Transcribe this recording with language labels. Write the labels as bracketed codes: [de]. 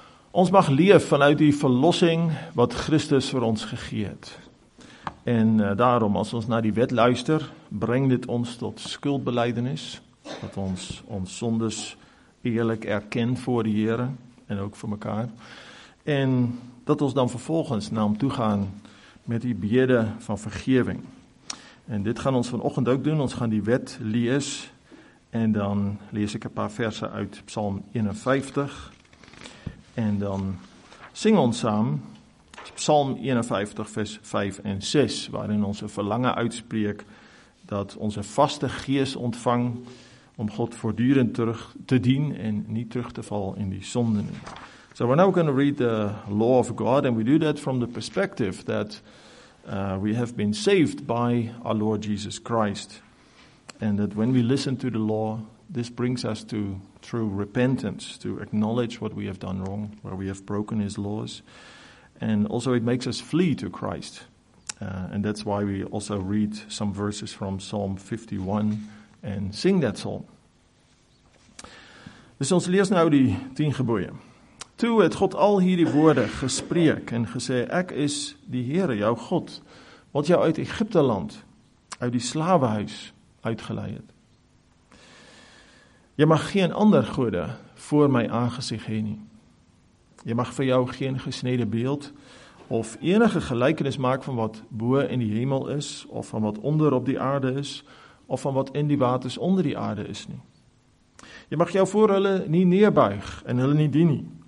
[af] Ons mag leef vanuit die verlossing wat Christus vir ons gegee het. En daarom, as ons na die wet luister, breng dit ons tot skuldbelydenis, dat ons ons sondes eerlijk erken voor die Here en ook voor mekaar. En dat ons dan vervolgens na hom toe gaan met die bede van vergeving. En dit gaan ons vanochtend ook doen, ons gaan die wet lees, en dan lees ik een paar verse uit Psalm 51, en dan zing ons samen Psalm 51 vers 5 en 6, [nl] waarin onze verlangen uitspreek dat onze vaste geest ontvang om God voortdurend terug te dien en niet terug te vallen in die zonden. [en] So we're now going to read the law of God, and we do that from the perspective that we have been saved by our Lord Jesus Christ, and that when we listen to the law, this brings us to true repentance, to acknowledge what we have done wrong, where we have broken his laws, and also it makes us flee to Christ, and that's why we also read some verses from Psalm 51 and sing that psalm. [af] Dus ons lees nou die 10 gebooien. Toe het God al hierdie woorde gespreek en gesê, ek is die Heere, jou God, wat jou uit Egypte land, uit die slavenhuis uitgeleid het. Jy mag geen ander gode voor my aangesig heen nie. Jy mag vir jou geen gesnede beeld of enige gelykenis maak van wat bo in die hemel is, of van wat onder op die aarde is, of van wat in die waters onder die aarde is nie. Jy mag jou voor hulle nie neerbuig en hulle nie dien nie.